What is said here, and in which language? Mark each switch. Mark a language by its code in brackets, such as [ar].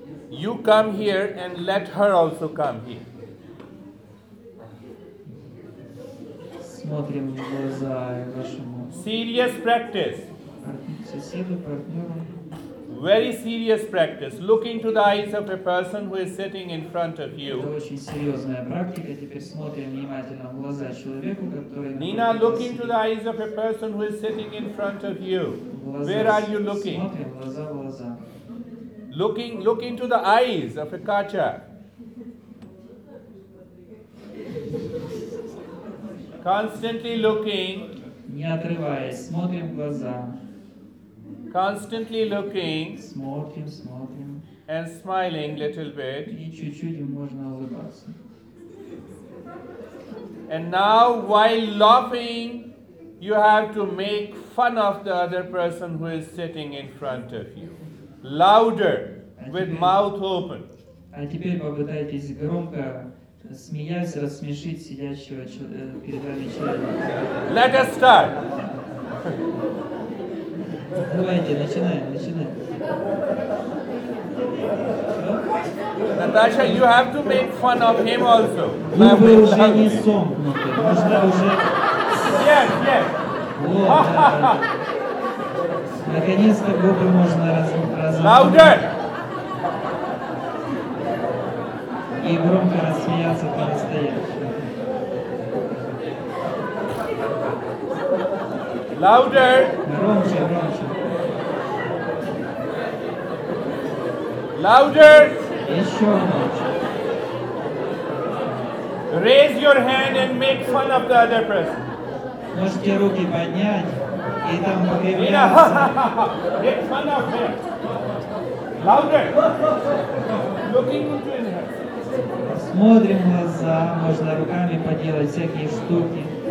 [en] You come here and let her also come here. [ru] Смотрим в глаза вашему. [en] Serious practice. [ru] Соседу, партнеру. [en] Very serious practice. Look into the eyes of a person who is sitting in front of you. [ru] Это очень серьезная практика. Теперь смотрим внимательно в глаза человеку, который. [en] Nina, look into the eyes of a person who is sitting in front of you. [ru] Глаза. [en] Where are you looking? [ru] Смотрим глаза в глаза. [en] look into the eyes of a kacha. Constantly looking. [ru] Не отрываясь, смотрим в глаза. [en] Constantly looking. [ru] Смотрим, смотрим. [en] And smiling little bit. [ru] И чуть-чуть можно улыбаться. [en] And now, while laughing, you have to make fun of the other person who is sitting in front of you. Louder, with mouth open. [ru] А теперь попытайтесь громко смеяться, рассмешить сидящего перед вами человека. [en] Let us start. [ru] Давайте, начинаем, начинаем. [en] Natasha, you have to make fun of him also. [ru] Вы уже не сомкнуты. Нужно уже... [en] Yes, yes. [ru] Вот, да, да. Наконец-то губы можно разомкнуть. [en] Louder! [ru] И громко рассмеяться по-настоящему. [en] Louder! [ru] Громче, громче. [en] Louder! [ru] Еще громче. [en] Raise your hand and make fun of the other person. [ru] Можете руки поднять и там выявляться. [en] Make fun of him. Louder! Looking into his head. [ru] Смотрим в глаза, можно руками поделать всякие штуки.